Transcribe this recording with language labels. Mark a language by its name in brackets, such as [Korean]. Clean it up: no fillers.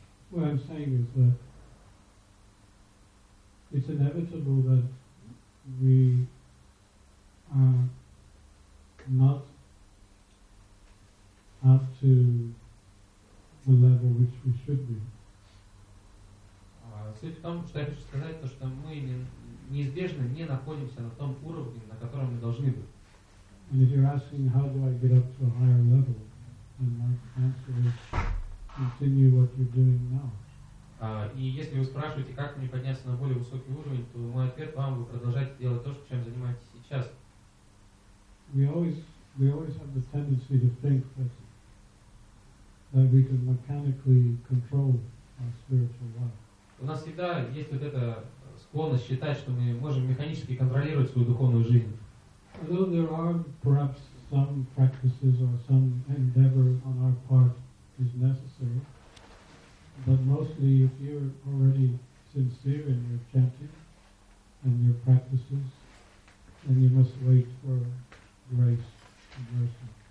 [English] What I'm saying is that it's inevitable that we not have to the level which we should be. [Russian] Суть в том, что я хочу сказать, то, что мы неизбежно не находимся на том уровне, на котором мы должны быть. [English] And if you're asking how do I get up to a higher level, then my answer is continue what you're doing now. [Russian] И если вы спрашиваете, как мне подняться на более высокий уровень, то мой ответ вам будет продолжать делать то, чем занимаетесь сейчас. [English] We always have the tendency to think that we can mechanically control our spiritual life. [Russian] У нас всегда есть вот эта склонность считать, что мы можем механически контролировать свою духовную жизнь. [English] Although there are perhaps some practices or some endeavor on our part is necessary, but mostly if you're already sincere in your chanting and your practices, then you must wait for grace and mercy.